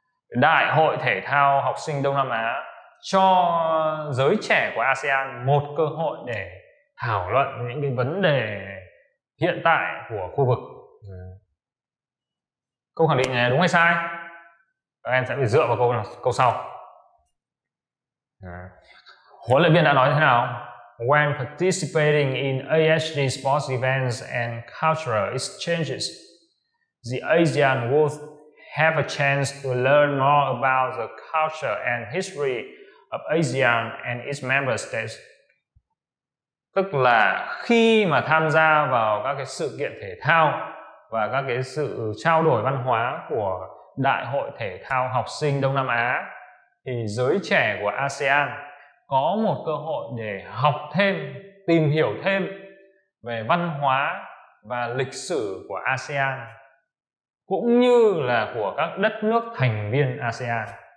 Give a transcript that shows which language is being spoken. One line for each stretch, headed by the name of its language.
Vietnamese: Đại hội thể thao học sinh Đông Nam Á cho giới trẻ của ASEAN một cơ hội để thảo luận những cái vấn đề hiện tại của khu vực. Câu khẳng định này đúng hay sai? Các em sẽ phải dựa vào câu sau. Huấn luyện viên đã nói thế nào?
English: When participating in ASG sports events and cultural exchanges, the ASEAN world have a chance to learn more about the culture and history of ASEAN and its member states.
Vietnamese: Tức là khi mà tham gia vào các cái sự kiện thể thao và các cái sự trao đổi văn hóa của Đại hội Thể thao Học sinh Đông Nam Á, thì giới trẻ của ASEAN có một cơ hội để học thêm, tìm hiểu thêm về văn hóa và lịch sử của ASEAN cũng như là của các đất nước thành viên ASEAN.